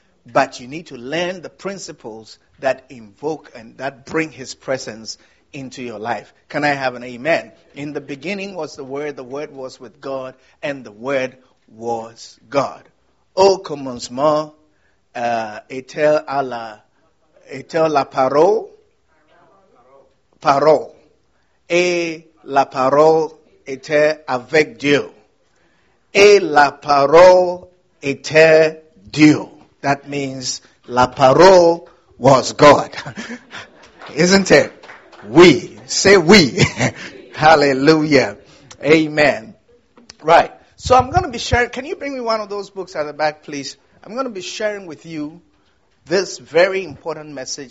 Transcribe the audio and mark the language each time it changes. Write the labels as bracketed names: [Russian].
[English] But you need to learn the principles that invoke and that bring His presence into your life. Can I have an amen? In the beginning was the Word was with God, and the Word was God. [French] Au commencement, était Allah. Était la parole, parole, et la parole était avec Dieu, et la parole était Dieu. [English] That means la parole was God, isn't it? [French] Oui, [English] Say we. Hallelujah. Amen. Right. So I'm going to be sharing. Can you bring me one of those books at the back, please? I'm going to be sharing with you this very important message.